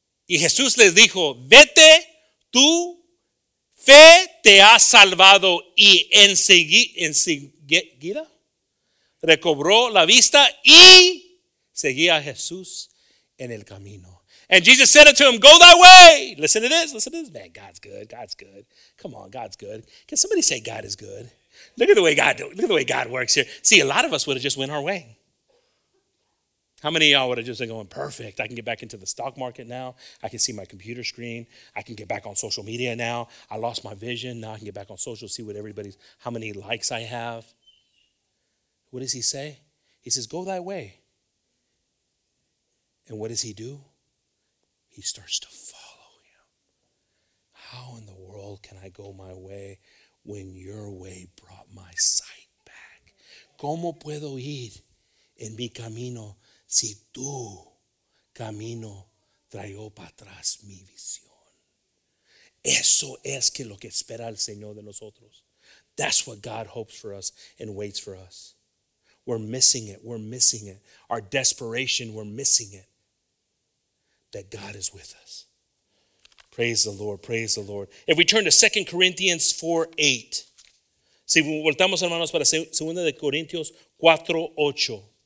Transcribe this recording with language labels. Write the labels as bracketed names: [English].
[Spanish] Y Jesús les dijo, vete, tu fe te ha salvado. Y enseguida recobró la vista y seguía a Jesús en el camino. [English] And Jesus said unto him, go thy way. Listen to this. Man, God's good. Come on, God's good. Can somebody say God is good? Look at the way God works here. See, a lot of us would have just went our way. How many of y'all would have just been going, perfect, I can get back into the stock market now. I can see my computer screen. I can get back on social media now. I lost my vision. Now I can get back on social, see what everybody's, how many likes I have. What does he say? He says, go thy way. And what does he do? He starts to follow him. How in the world can I go my way when your way brought my sight back? [Spanish] ¿Cómo puedo ir en mi camino si tu camino trajo para atrás mi visión? Eso es que lo que espera el Señor de nosotros. [English] That's what God hopes for us and waits for us. We're missing it. Our desperation, we're missing it. That God is with us. Praise the Lord. If we turn to 2 Corinthians 4:8. [Spanish] Si voltamos, hermanos, para 2 Corintios 4:8.